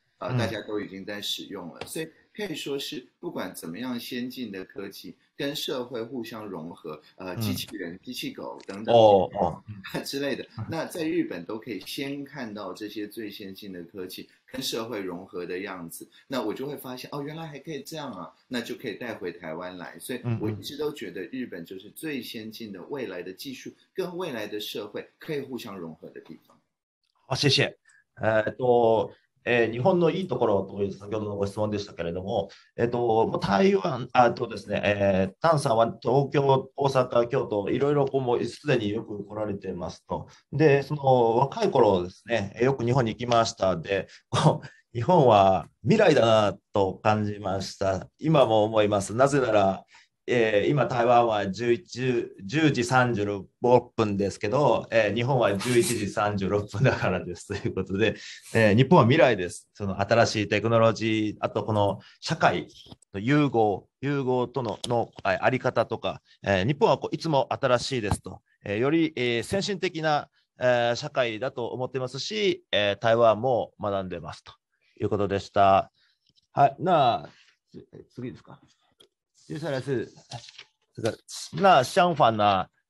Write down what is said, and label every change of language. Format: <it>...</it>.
<zh>大家都已经在使用了，所以可以说是不管怎么样先进的科技跟社会互相融合，机器人、机器狗等等之类的，那在日本都可以先看到这些最先进的科技跟社会融合的样子，那我就会发现哦，原来还可以这样啊，那就可以带回台湾来。所以我一直都觉得日本就是最先进的未来的技术跟未来的社会可以互相融合的地方。好，谢谢。</zh> <ja>日本のいいところという先ほどのご質問でしたけれども、台湾あとですね、タンさんは東京、大阪、京都、いろいろこうもすでによく来られていますと。で、その若い頃ですね、よく日本に行きました。で、日本は未来だなと感じました。今も思います。なぜなら、今台湾は10時36分ですけど、日本は11時36分だからですということで、日本は未来です。その新しいテクノロジー、あとこの社会の融合との、あり方とか、日本はこういつも新しいですと、より、先進的な、社会だと思ってますし、台湾も学んでますということでした。はい、那次ですか。</ja> <zh>接下来是这个，那相反呢？</zh>